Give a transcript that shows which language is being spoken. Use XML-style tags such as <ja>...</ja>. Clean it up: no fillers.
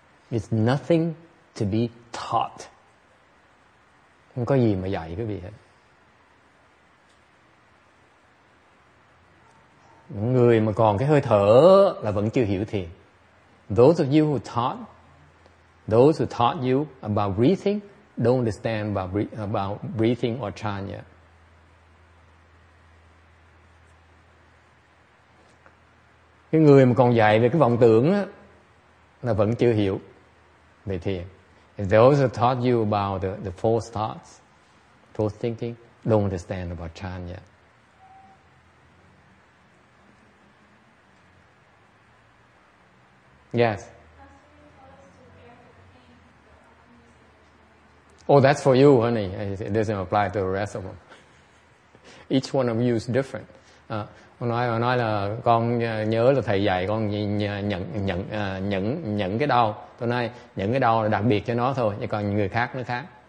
<en>It's nothing to be taught.</en> <vi>Không có gì mà dạy quý vị hết. Người mà còn cái hơi thở là vẫn chưa hiểu thiền.</vi> <en>Those who taught you about breathing don't understand about breathing or Chan yet.</en> <vi>Cái người mà còn dạy về cái vọng tưởng á là vẫn chưa hiểu về thiền.</vi> <en>If they also taught you about the false thoughts, false thinking, don't understand about Chan yet. Yes. Oh, that's for you, honey. It doesn't apply to the rest of them. Each one of you is different.</en> <vi>Nói là con nhớ là thầy dạy con nhận cái đau. Tôi nói nhận cái đau là đặc biệt cho nó thôi, chứ còn người khác nó khác.</vi>